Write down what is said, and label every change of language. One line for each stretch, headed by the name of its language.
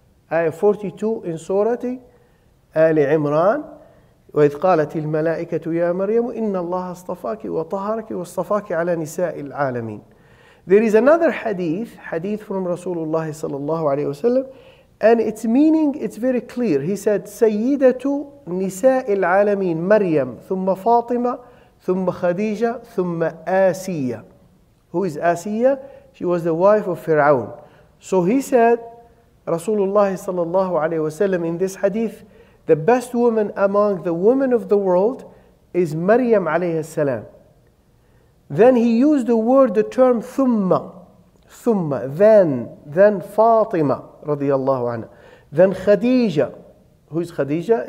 English: Ayah 42 in Surah Ali Imran.
Arabic: وَإِذْ قَالَتِ الْمَلَائِكَةُ يَا مَرْيَمُ إِنَّ اللَّهَ اصْطَفَاكِ وَطَهَّرَكِ وَاصْطَفَاكِ عَلَى نِسَاءِ الْعَالَمِينَ.
English: There is another hadith from Rasulullah sallallahu alayhi wa sallam, and its meaning, it's very clear. He said,
Arabic: سَيِّدَةُ نِسَاءِ الْعَالَمِينَ مَرْيَمُ ثُمَّ فَاطِمَةُ ثُمَّ خَدِيجَةُ ثُمَّ آسِيَّةُ.
English: Who is آسِيَّةُ? She was the wife of Fir'aun. So he said, Rasulullah sallallahu alayhi wa sallam, in this hadith, the best woman among the women of the world is Maryam alayhi salam. Then he used the word, the term thumma, then Fatima radiyallahu anha, then Khadija. Who is Khadija?